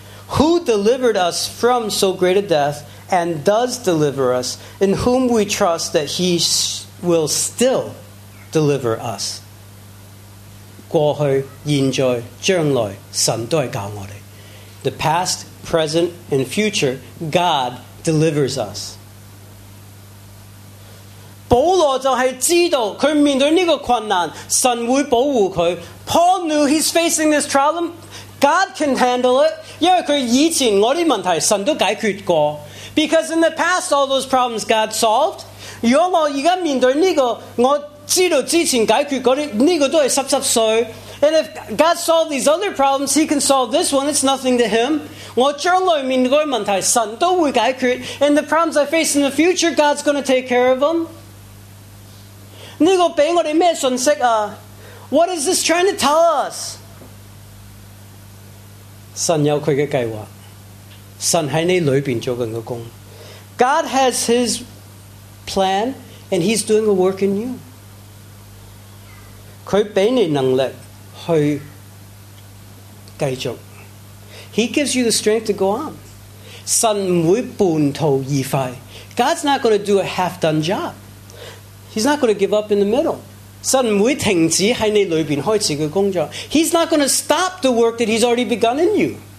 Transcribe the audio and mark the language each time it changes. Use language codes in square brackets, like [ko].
[en] Who delivered us from so great a death and does deliver us, in whom we trust that he will still deliver us. [zh] 过去、现在、将来，神都是教我们。 [en] The past, present, and future, God delivers us. [zh] 保罗就是知道他面对这个困难，神会保护他。 [en] Paul knew he's facing this problem. God can handle it. [zh] 因为他以前我的问题神都解决过。 [en] Because in the past, all those problems God solved. [zh] 如果我现在面对这个，我知道之前解决过的，这个都是湿湿碎。 [en] And if God solved these other problems, he can solve this one. It's nothing to him. [zh] 我将来面对的问题神都会解决。 [en] And the problems I face in the future, God's going to take care of them. [zh] 这个给我们什么信息啊？ [en] What is this trying to tell us? [zh] 神有祂的计划。神在你里面做的工。 [en] God has his plan, and he's doing a work in you. [zh] 祂给你能力。去继续 [en] He gives you the strength to go on. [zh] 神不会半途而废。 [en] God's not going to do a half done job. He's not going to give up in the middle. [zh] 神不会停止在你里面开始的工作。 [en] He's not going to stop the work that he's already begun in you.